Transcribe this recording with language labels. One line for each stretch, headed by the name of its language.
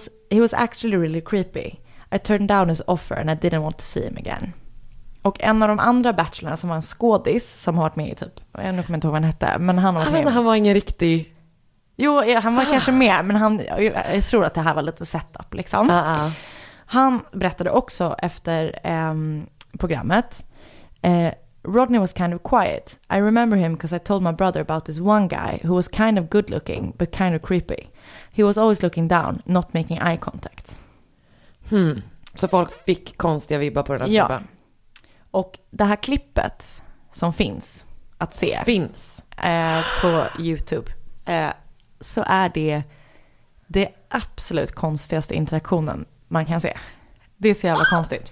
English: He was actually really creepy. I turned down his offer and I didn't want to see him again.
Swedish: Och en av de andra bachelorna som var en skådis, som har varit med i typ, jag nu kommer inte ihåg vad han hette, men han var han var ingen riktig. Jo, han var kanske med, men han, jag tror att det här var lite setup liksom. Han berättade också efter programmet:
English: Rodney was kind of quiet. I remember him because I told my brother about this one guy who was kind of good looking but kind of creepy. He was always looking down, not making eye contact. Hmm.
Swedish: Så folk fick konstiga vibbar på den här snubben. Och det här klippet som finns att se finns på YouTube, så är det det absolut konstigaste interaktionen man kan se. Det är så jävla konstigt.